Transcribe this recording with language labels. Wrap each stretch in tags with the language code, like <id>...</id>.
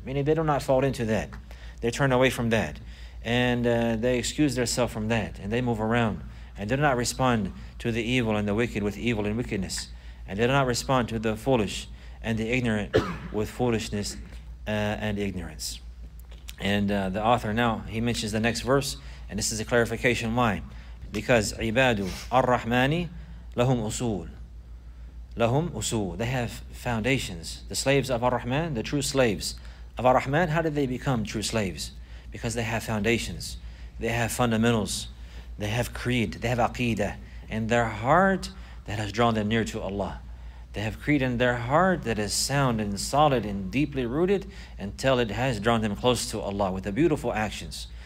<en>Meaning they do not fall into that. They turn away from that. And they excuse themselves from that. And they move around. And they do not respond to the evil and the wicked with evil and wickedness. And they do not respond to the foolish and the ignorant with foolishness and ignorance. And the author now, he mentions the next verse. And this is a clarification. Why?</en> <ar>Because عِبَادُ الرَّحْمَانِ لَهُمْ أُصُولٌ. Lahum usul.</ar> <en>They have foundations. The slaves of Ar-Rahman, the true slaves of Ar-Rahman, how did they become true slaves? Because they have foundations. They have fundamentals. They have creed. They have aqidah in their heart that has drawn them near to Allah. They have creed in their heart that is sound and solid and deeply rooted until it has drawn them close to Allah with the beautiful actions.</en>